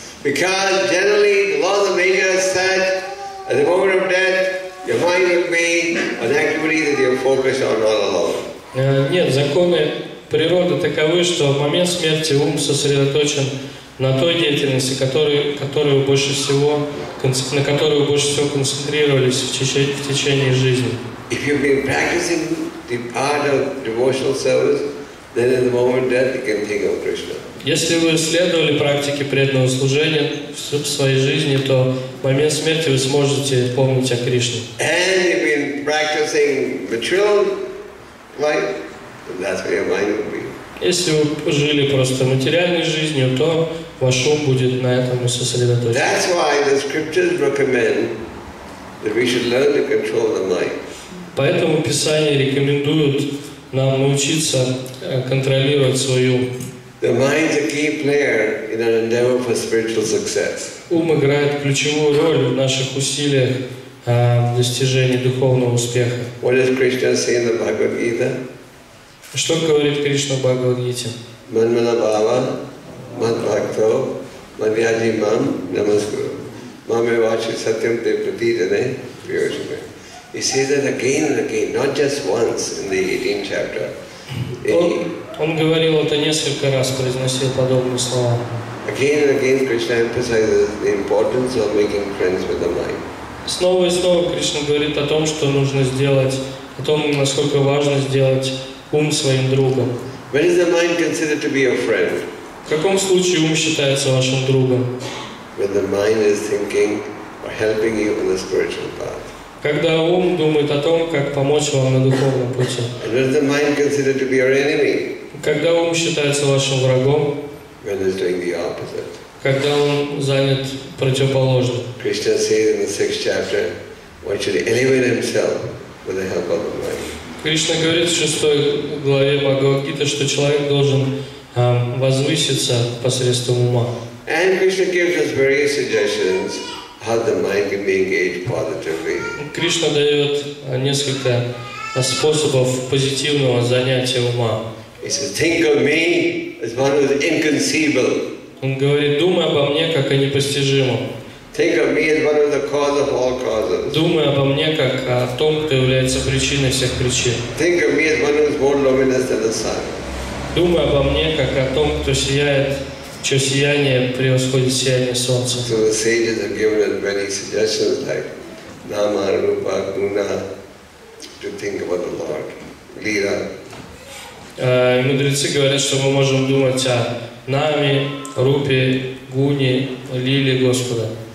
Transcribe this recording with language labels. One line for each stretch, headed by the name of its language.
English: Because generally the laws of nature said at the moment of death, your mind will be an activity that you focus on all along.
Russian: Нет, законы природы таковы, что в момент смерти ум сосредоточен на той деятельности, на которую вы больше всего концентрировались в течение жизни.
English: If you've been practicing the art of devotional service, then in the moment of death you can think of Krishna.
Russian: Если вы следовали практике преданного служения в своей жизни, то в момент смерти вы сможете помнить о Кришне.
English: And if you've been practicing material life, then that's where your mind will be.
Russian: Если вы жили просто материальной жизнью, то ваш ум будет на этом сосредоточен.
English: That's why the scriptures recommend that we should learn to control the mind.
Russian: Поэтому Писание рекомендует нам научиться контролировать свой ум.
English: The mind is a key player in our endeavor for spiritual success.
Russian: Ум играет ключевую роль в наших усилиях в достижении духовного успеха.
English: What does Krishna say in the Bhagavad Gita?
Russian: Что говорит Кришна в Бхагавад-гите?
Sanskrit: Манмалабава, Манбхакто, Манвяджи Мам, Намаскру. Маме Вачи Сатям Те Пратидане, Приошаме.
English: He says that again and again, not just once in the 18th chapter.
Russian: Он говорил это несколько раз, произносил подобные слова.
English: Again and again, Krishna emphasizes the importance of making friends with the mind.
Russian: Снова и снова Кришна говорит о том, что нужно сделать, о том, насколько важно сделать ум своим другом.
English: When is the mind considered to be a friend?
Russian: В каком случае ум считается вашим другом?
English: When the mind is thinking or helping you on the spiritual path.
Russian: Когда ум думает о том, как помочь вам на духовном пути.
English: And when is the mind considered to be your enemy?
Russian: Когда ум считается вашим врагом.
English: When it's doing the opposite.
Russian: Когда он занят противоположным.
English: Krishna says in the 6th chapter, one should elevate himself with the help of the mind.
Russian: Кришна говорит в 6 главе Бхагавад-гиты, что человек должен возвыситься посредством ума.
English: And Krishna gives us various suggestions how the mind can be engaged positively.
Russian: Кришна дает несколько способов позитивного занятия ума.
English: He says, think of me as one who is inconceivable.
Russian: Он говорит, думай обо мне как о непостижимом.
English: Think of me as one of the cause of all causes.
Russian: Думай обо мне как о том, кто является причиной всех причин.
English: Think of me as one who is more luminous than the sun.
Russian: Думай обо мне как о том, кто сияет, чье сияние превосходит сияние солнца.
English: So the sages have given us many suggestions like Nama, Rupa, Guna to think about the Lord, Lila.
Russian: Мудрецы говорят, что мы можем думать о Наме, Рупе, Гуне, Лиле Господа.